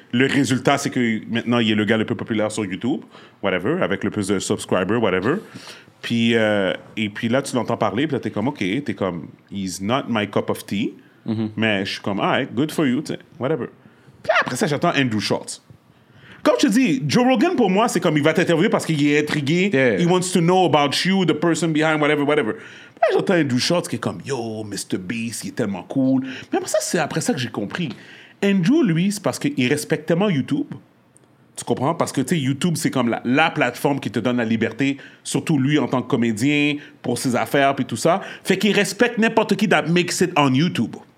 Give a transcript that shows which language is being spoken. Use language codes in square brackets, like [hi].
[fr] Le résultat, c'est que maintenant, il est le gars le plus populaire sur YouTube, whatever, avec le plus de subscribers, whatever. Puis, et puis là, tu l'entends parler, puis là, t'es comme, OK, t'es comme, he's not my cup of tea. Mm-hmm. Mais je suis comme, all right, good for you, t'sais, whatever. Puis après ça, j'attends Andrew Schultz. Comme je te dis, Joe Rogan, pour moi, c'est comme, il va t'interviewer parce qu'il est intrigué. [en] Yeah. He wants to know about you, the person behind, whatever, whatever. [fr] Puis là, j'entends Andrew Schultz qui est comme, yo, MrBeast, il est tellement cool. Mais après ça, c'est après ça que j'ai compris. Andrew, lui, c'est parce qu'il respecte tellement YouTube. Tu comprends? Parce que, tu sais, YouTube, c'est comme la plateforme qui te donne la liberté, surtout lui en tant que comédien, pour ses affaires, puis tout ça. Fait qu'il respecte n'importe qui that makes it on YouTube.